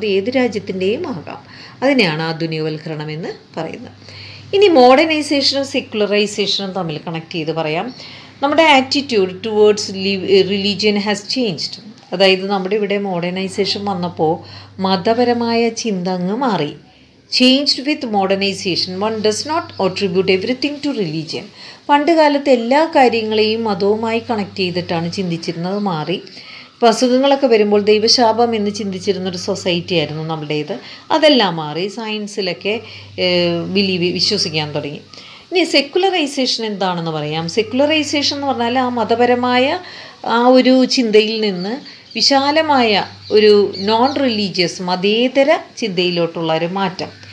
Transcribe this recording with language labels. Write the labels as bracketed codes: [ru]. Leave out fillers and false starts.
[ml] അത് ഏത് രാജ്യത്തിൻ്റെയും ആകാം. അതിനെയാണ് ആധുനികവൽക്കരണം എന്ന് പറയുന്നത്. ഇനി മോഡേണൈസേഷനും സെക്യുലറൈസേഷനും തമ്മിൽ കണക്ട് ചെയ്ത് പറയാം. നമ്മുടെ [en] Attitude towards religion has changed. [ml] അതായത് നമ്മുടെ ഇവിടെ മോഡേണൈസേഷൻ വന്നപ്പോൾ മതപരമായ ചിന്ത അങ്ങ് മാറി. [en] Changed with modernization, one does not attribute everything to religion. [ml] പണ്ട് കാലത്ത് എല്ലാ കാര്യങ്ങളെയും മതവുമായി കണക്ട് ചെയ്തിട്ടാണ് ചിന്തിച്ചിരുന്നത്. മാറി അസുഖങ്ങളൊക്കെ വരുമ്പോൾ ദൈവശാപം എന്ന് ചിന്തിച്ചിരുന്നൊരു സൊസൈറ്റി ആയിരുന്നു നമ്മുടേത്. അതെല്ലാം മാറി, സയൻസിലൊക്കെ ബിലീവ് വിശ്വസിക്കാൻ തുടങ്ങി. ഇനി സെക്കുലറൈസേഷൻ എന്താണെന്ന് പറയാം. സെക്കുലറൈസേഷൻ എന്ന് പറഞ്ഞാൽ ആ മതപരമായ ആ ഒരു ചിന്തയിൽ നിന്ന് വിശാലമായ ഒരു നോൺ റിലീജിയസ് മതേതര ചിന്തയിലോട്ടുള്ള ഒരു മാറ്റം.